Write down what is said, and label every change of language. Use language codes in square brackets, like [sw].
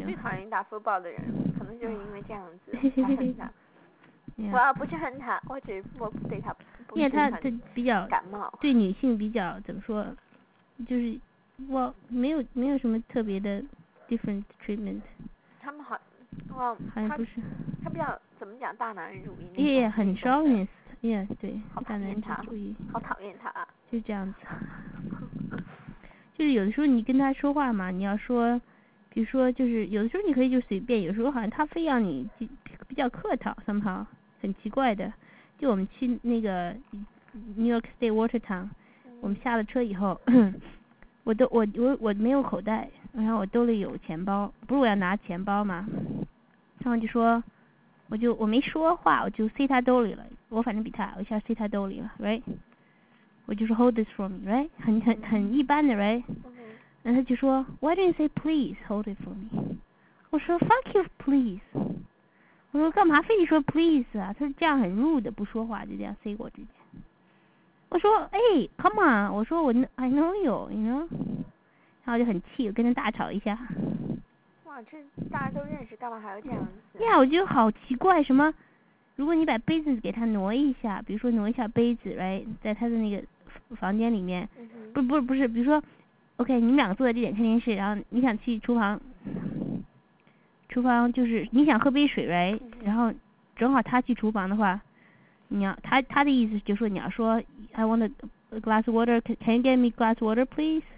[zh] 我最讨厌打 football 的人，可能就是因为这样子才恨他。 [en] yeah. [zh] 因为他比较对女性比较怎么说，就是我没有什么特别的 different treatment。他们好像不是。他比较。怎么讲大男人主义？也、 [en] yeah, [zh] 很 chauvinist， 也、yeah, 对，好讨厌他，好讨厌他、啊，就这样子。就是有的时候你跟他说话嘛，你要说，比如说就是有的时候你可以就随便，有时候好像他非要你比较客套 ，somehow 很奇怪的。就我们去那个 New York State Water Town，、我们下了车以后，我没有口袋，然后我兜里有钱包，不是我要拿钱包嘛，然后就说。我没说话，我就塞他兜里了。我反正比他，我一下塞他兜里了 ，right？我就说 [en] hold this for me，right？ [zh] 很一般的 ，right？ 然后他就说 [en] why don't you say please hold it for me？ [zh] 我说 [en] fuck you please。 [zh] 我说干嘛非得说 please 啊？他说这样很 rude， 不说话就这样塞过直接。我说哎 ， [en] come on， [zh] 我说我 [en] I know you， you know？ [zh] 然后我就很气，我跟他大吵一下。这大家都认识，干嘛还要这样子？呀、yeah, ，我觉得好奇怪，什么？如果你把杯子给他挪一下，比如说挪一下杯子 ，right， 在他的那个房间里面，不是，比如说 ，OK， 你们两个坐在这点看电视，然后你想去厨房就是你想喝杯水 ，right，、然后正好他去厨房的话，你要他的意思就是说你要说 ， [en] I want a glass of water， can you get me glass of water please？